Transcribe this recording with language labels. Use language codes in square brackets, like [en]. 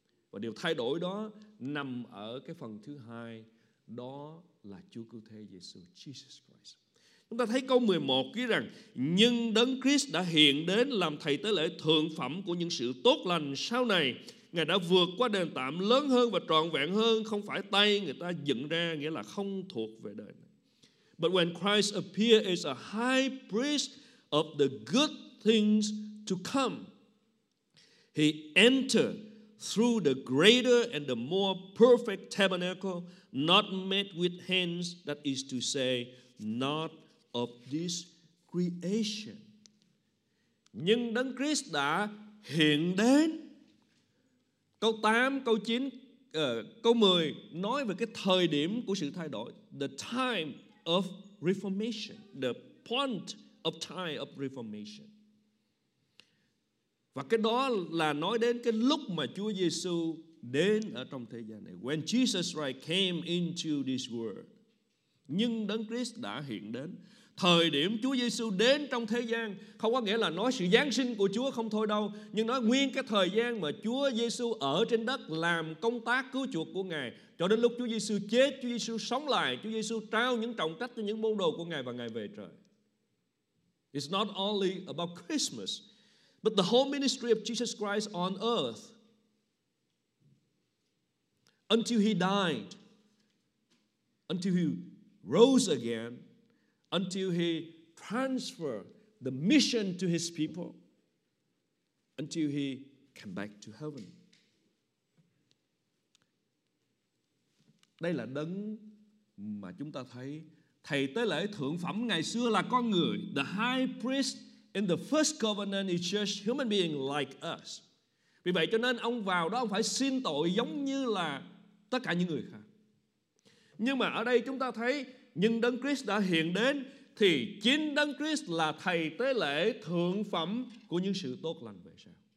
[vi] Và điều thay đổi đó nằm ở cái phần thứ hai, đó là Chúa Cứu Thế Giê-xu, [en] Jesus Christ. [vi] Chúng ta thấy câu 11 ghi rằng: nhưng Đấng Christ đã hiện đến làm thầy tế lễ thượng phẩm của những sự tốt lành sau này. Ngài đã vượt qua đền tạm lớn hơn và trọn vẹn hơn, không phải tay người ta dựng ra, nghĩa là không thuộc về đời này. [en] But when Christ appeared as a high priest of the good things to come, he entered through the greater and the more perfect tabernacle, not made with hands, that is to say, not of this creation. [vi] Nhưng Đấng Christ đã hiện đến. Câu 8, câu 9, câu 10 nói về cái thời điểm của sự thay đổi, [en] the time of reformation, [vi] the point of time of reformation. Và cái đó là nói đến cái lúc mà Chúa Giê-xu đến ở trong thế gian này. [en] When Jesus Christ came into this world. [vi] Nhưng Đấng Christ đã hiện đến. Thời điểm Chúa Giê-xu đến trong thế gian không có nghĩa là nói sự Giáng sinh của Chúa không thôi đâu, nhưng nói nguyên cái thời gian mà Chúa Giê-xu ở trên đất làm công tác cứu chuộc của Ngài, cho đến lúc Chúa Giê-xu chết, Chúa Giê-xu sống lại, Chúa Giê-xu trao những trọng trách cho những môn đồ của Ngài và Ngài về trời. [en] It's not only about Christmas, but the whole ministry of Jesus Christ on earth until he died, until he rose again, until he transferred the mission to his people, until he came back to heaven. [vi] Đây là đấng mà chúng ta thấy thầy tế lễ thượng phẩm ngày xưa là con người. [en] The high priest in the first covenant is just human being like us. [vi] Vì vậy cho nên ông vào đó ông phải xin tội giống như là tất cả những người khác. Nhưng mà ở đây chúng ta thấy, nhưng Đấng Christ đã hiện đến, thì chính Đấng Christ là thầy tế lễ thượng phẩm của những sự tốt lành về sau.